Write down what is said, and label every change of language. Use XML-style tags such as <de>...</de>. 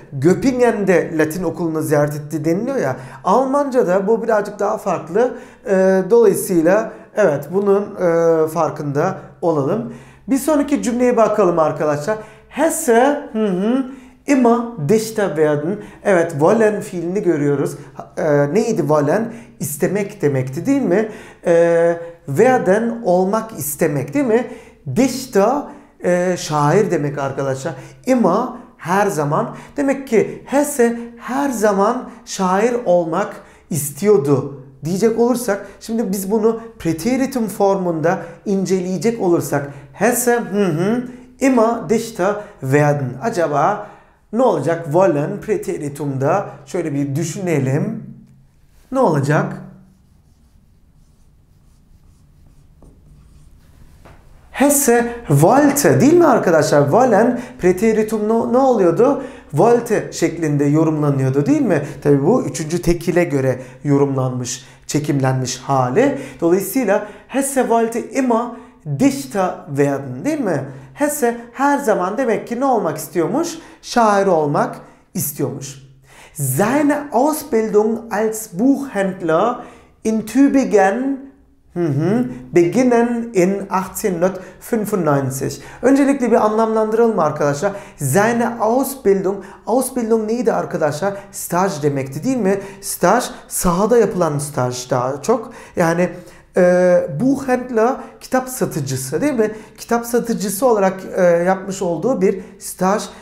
<tr>Göppingen'de Latin okulunu ziyaret etti deniliyor ya. Almanca'da bu birazcık daha farklı. Dolayısıyla evet, bunun farkında olalım. Bir sonraki cümleye bakalım arkadaşlar.</tr> <de>Hesse immer dichter werden.</de> <tr>Evet, wollen fiilini görüyoruz. Neydi wollen? İstemek demekti değil mi? Werden olmak istemek değil mi? Dichter şair demek arkadaşlar. Immer her zaman. Demek ki Hesse her zaman şair olmak istiyordu diyecek olursak, şimdi biz bunu preteritum formunda inceleyecek olursak</tr> <de>Hesse immer dichter werden.</de> <tr>Acaba ne olacak wollen preteritumda? Şöyle bir düşünelim. Ne olacak?</tr> <de>Hesse wollte,</de> <tr>değil mi arkadaşlar? Wollen preteritum ne oluyordu? Wollte şeklinde yorumlanıyordu değil mi? Tabi bu üçüncü tekile göre yorumlanmış, çekimlenmiş hali. Dolayısıyla</tr> <de>Hesse wollte immer dichter werden</de> <tr>değil mi? Hesse her zaman demek ki ne olmak istiyormuş? Şair olmak istiyormuş.</tr> <de>Seine Ausbildung als Buchhändler in Tübingen beginnen in 1895.</de> <tr>Öncelikle bir anlamlandıralım arkadaşlar.</tr> <de>Seine Ausbildung.</de> <tr>Ausbildung neydi arkadaşlar? Staj demekti değil mi? Staj, sahada yapılan staj daha çok. Yani Buchhändler, kitap satıcısı değil mi? Kitap satıcısı olarak yapmış olduğu bir staj.</tr>